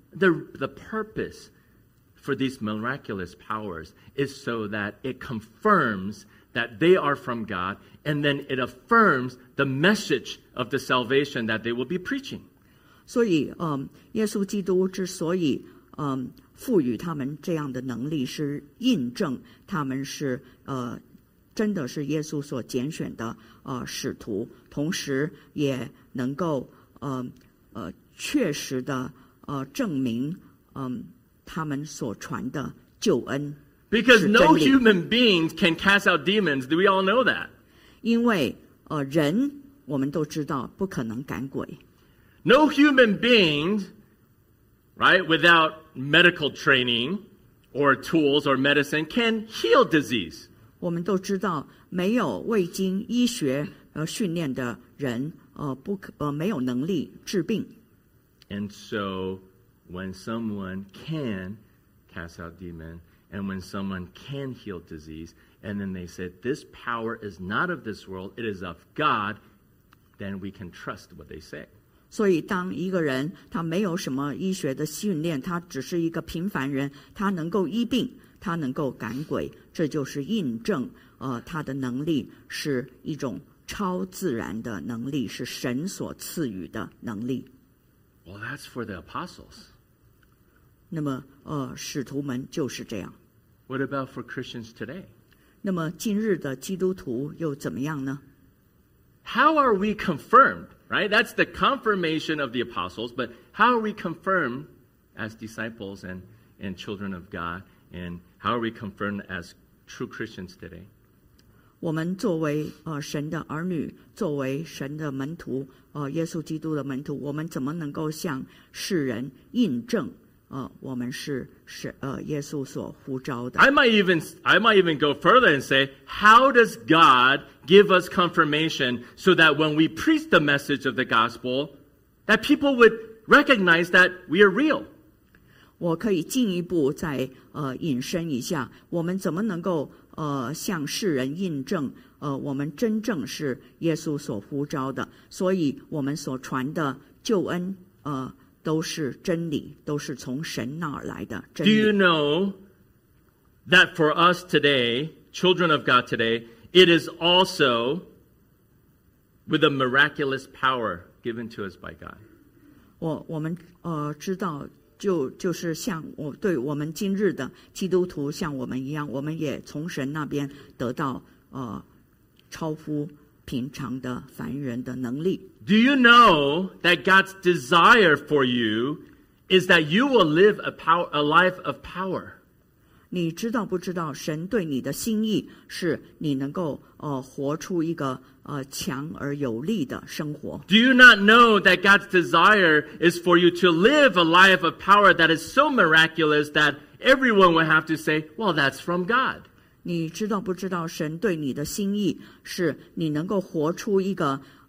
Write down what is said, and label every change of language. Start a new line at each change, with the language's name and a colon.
English: The purpose for these miraculous powers is so that it confirms that they are from God, and then it affirms the message of the salvation that they will be preaching.
Chinese: 所以，耶稣基督之所以赋予他们这样的能力，是印证他们是真的是耶稣所拣选的使徒，同时也能够确实的证明他们所传的救恩。
English: Because no human being can cast out demons, do we all know that?
Chinese: 因为人我们都知道不可能赶鬼。
English: No human being, right, without medical training or tools or medicine can heal disease.
Chinese: 我们都知道没有未经医学训练的人没有能力治病。
English: And so when someone can cast out demons, and when someone can heal disease, and then they said, this power is not of this world, it is of God, then we can trust what they say.
Chinese: 所以当一个人他没有什么医学的训练，他只是一个平凡人，他能够医病，他能够赶鬼，这就是印证他的能力是一种超自然的能力，是神所赐予的能力。
English: Well, that's for the apostles.
Chinese: 那么使徒们就是这样。
English: What about for Christians today?
Chinese: 那么今日的基督徒又怎么样呢？
English: How are we confirmed, right? That's the confirmation of the apostles, but how are we confirmed as disciples and children of God, and how are we confirmed as true Christians today?
Chinese: 我们作为神的儿女，作为神的门徒，耶稣基督的门徒，我们怎么能够向世人印证我们是耶稣所呼召的。
English: I might even go further and say, how does God give us confirmation so that when we preach the message of the gospel, that people would recognize that we are real?
Chinese: 我可以进一步再引申一下，我们怎么能够向世人印证我们真正是耶稣所呼召的？所以我们所传的救恩都是真理，都是从神那儿来的真理。
English: Do you know that for us today, children of God today, it is also with a miraculous power given to us by God?
Chinese: 我们知道，就是像对我们今日的基督徒像我们一样，我们也从神那边得到超乎平常的凡人的能力。
English: Do you know that God's desire for you is that you will live a life of power?
Chinese: 你知道不知道神对你的心意是你能够活出一个强而有力的生活？
English: Do you not know that God's desire is for you to live a life of power that is so miraculous that everyone will have to say, well, that's from God?
Chinese: 你知道不知道神对你的心意是你能够活出一个